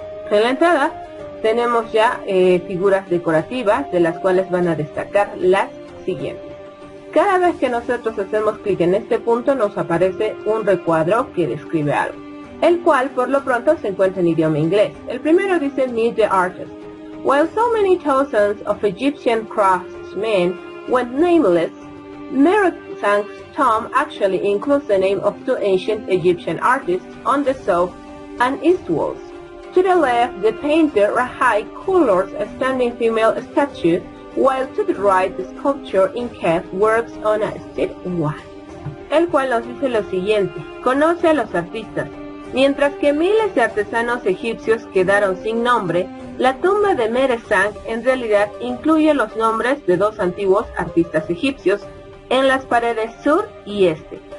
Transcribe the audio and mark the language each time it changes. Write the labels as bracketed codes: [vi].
[es] En la entrada tenemos ya figuras decorativas, de las cuales van a destacar las siguientes. Cada vez que nosotros hacemos clic en este punto, nos aparece un recuadro que describe algo, el cual por lo pronto se encuentra en idioma inglés. El primero dice, [en] "Meet the artist. While so many thousands of Egyptian craftsmen went nameless, Meresang's tomb actually includes the name of two ancient Egyptian artists on the south and east walls. To the left, the painter Rahai colors a standing female statue, while to the right, the sculpture in Kef works on a stead wall." [es] El cual nos dice lo siguiente, conoce a los artistas. Mientras que miles de artesanos egipcios quedaron sin nombre, la tumba de Meresang en realidad incluye los nombres de dos antiguos artistas egipcios en las paredes sur y este.